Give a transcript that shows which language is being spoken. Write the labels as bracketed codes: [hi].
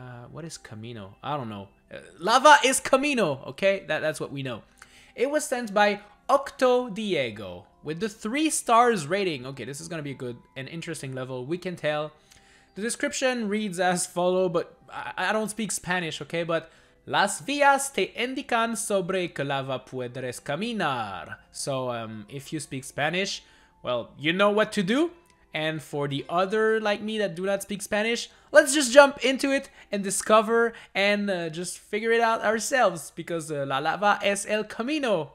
[en] What is Camino? I don't know. Lava is Camino, okay? That's what we know. It was sent by OctoDiego with the 3 stars rating. Okay, this is gonna be a good and interesting level, we can tell. The description reads as follow, but I don't speak Spanish, okay? But [es] las vías te indican sobre que lava puedes caminar. [en] So, if you speak Spanish, well, you know what to do. And for the other like me that do not speak Spanish, let's just jump into it and discover and just figure it out ourselves. Because [es] la lava es el camino.